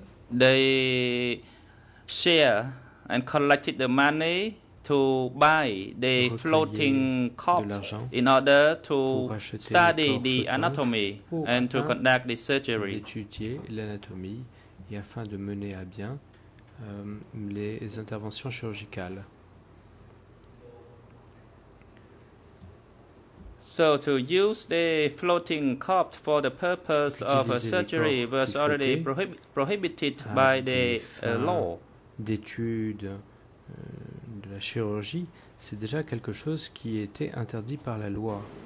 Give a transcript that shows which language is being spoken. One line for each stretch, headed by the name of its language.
English: They share and collected the money to buy the floating corpse in order to study the anatomy and to conduct the surgery.
French: D'étudier l'anatomie et afin de mener à bien les interventions chirurgicales.
English: So to use the floating corpse for the purpose of a surgery was already prohibited by the law.
French: D'études de la chirurgie, c'est déjà quelque chose qui était interdit par la loi.